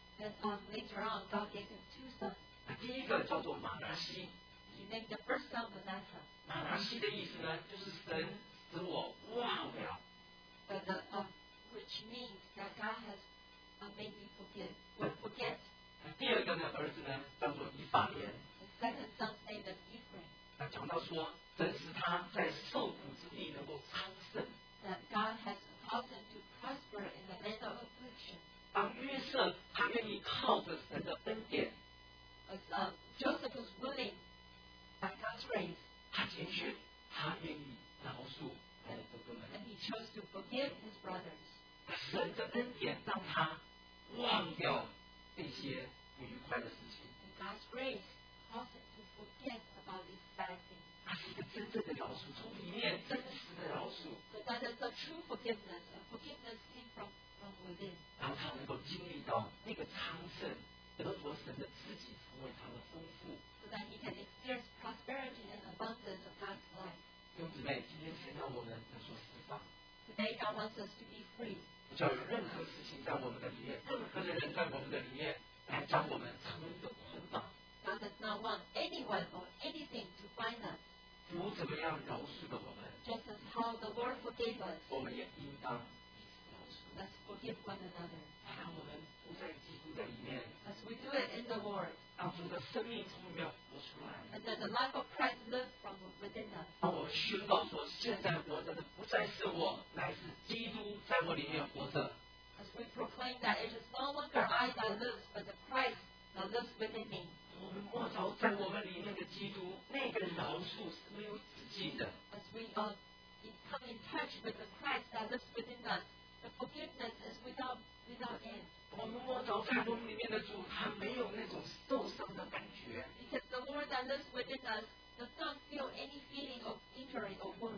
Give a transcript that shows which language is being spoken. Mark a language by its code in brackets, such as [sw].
[en] Then later on, God gave him two sons. [zh] 第一个叫做马拿西。 [en] He named the first son Manasseh. [zh] 马拿西的意思呢，就是神使我忘了。 [en] But the, which means that God has made me forget. Will forget. [zh] 第二个呢，儿子呢，叫做以法莲。 [en] The second son's name is Ephraim. [zh] 那讲到说，真是他在受苦之地能够昌盛。 [en] That God has caused him to prosper in the land of affliction. [zh] 当约瑟他愿意靠着神的恩典 [en] As, Joseph was willing by God's grace [zh] 他拣选他愿意饶恕他的哥哥们 [en] And he chose to forgive his brothers [zh] 神的恩典让他忘掉那些不愉快的事情 [en] And God's grace caused him to forget about these bad things [zh] 他是一个真正的饶恕从里面真实的饶恕 [en] So that is a true forgiveness A forgiveness came from Within. [zh] 然后他能够经历到那个昌盛，得着神的自己成为他的丰富。 [en] So that he can experience prosperity and abundance of God's life. [zh] 兄姊妹，今天神让我们得着释放。 [en] Today God wants us to be free. [zh] 不叫有任何事情在我们的里面，任何的人在我们的里面，来将我们成为一个捆绑。 [en] God does not want anyone or anything to bind us. [zh] 主怎么样饶恕的我们 [en] ？Just as how the Lord forgave us. [zh] 我们也应当彼此饶恕。 [en] Let's forgive one another. [zh] 让我们住在基督的里面。 [en] As we do it in the Lord. [zh] 让主的生命从里面活出来。 [en] And that the life of Christ lives from within us. [zh] 让我宣告说，现在活着的不再是我，乃是基督在我里面活着。 [en] As we proclaim that it is no longer I that lives, but the Christ that lives within me. [zh] 我们默祷在我们里面的基督，那个饶恕是没有止境的。 [en] As we come in touch with the Christ that lives within us, the forgiveness is without end. [zh] 我们默祷在我们里面的主，他没有那种受伤的感觉。 [en] Because the Lord that lives within us does not feel any feeling of injury or wound.